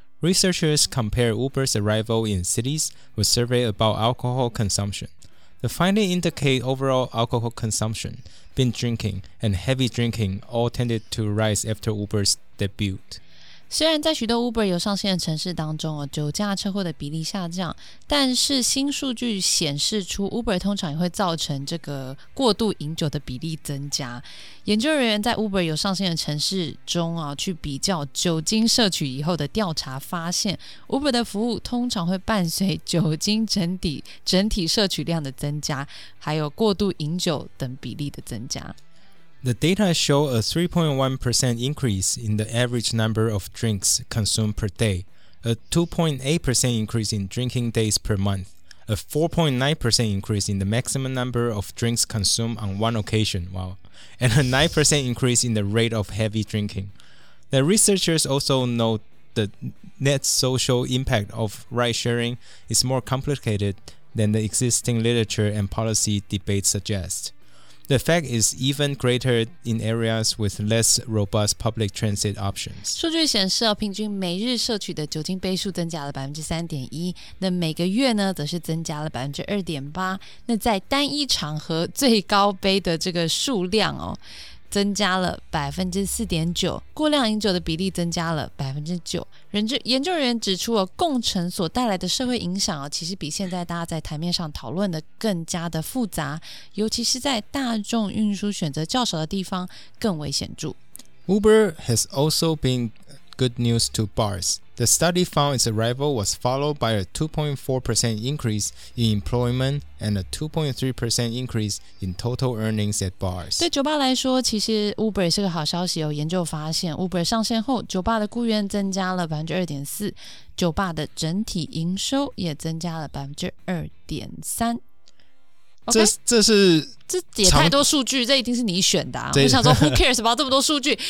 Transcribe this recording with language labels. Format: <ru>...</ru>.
<en>Researchers compare Uber's arrival in cities with survey about alcohol consumption. The findings indicate overall alcohol consumption, binge drinking, and heavy drinking all tended to rise after Uber's debut.</en> <zh>虽然在许多 Uber 有上线的城市当中，酒驾车祸的比例下降，但是新数据显示出 Uber 通常也会造成这个过度饮酒的比例增加。研究人员在 Uber 有上线的城市中去比较酒精摄取以后的调查，发现 Uber 的服务通常会伴随酒精整体摄取量的增加，还有过度饮酒等比例的增加。</zh> <en>The data show a 3.1% increase in the average number of drinks consumed per day, a 2.8% increase in drinking days per month, a 4.9% increase in the maximum number of drinks consumed on one occasion, and a 9% increase in the rate of heavy drinking. The researchers also note the net social impact of ride sharing is more complicated than the existing literature and policy debate suggest. The effect is even greater in areas with less robust public transit options.</en> <zh>数据显示，平均每日摄取的酒精杯数增加了 3.1%， 那每个月呢，则是增加了 2.8%。那在单一场合最高杯的这个数量增加了 4.9%， 过量饮酒的比例增加了 9%。研究人员指出，共乘所带来的社会影响其实比现在大家在台面上讨论的更加的复杂，尤其是在大众运输选择较少的地方更为显著。</zh> <en>Uber has also been good news to bars. The study found its arrival was followed by a 2.4% increase in employment and a 2.3% increase in total earnings at bars.</en> <zh>对酒吧来说，其实 Uber 是个好消息哦。研究发现 ，Uber 上线后，酒吧的雇员增加了 2.4%， 酒吧的整体营收也增加了 2.3%。</zh> <en>Okay?</en> <zh>这也太多数据，这一定是你选的、啊。我想说 ，</zh> <en>Who cares about</en> <zh>这么多数据？</zh>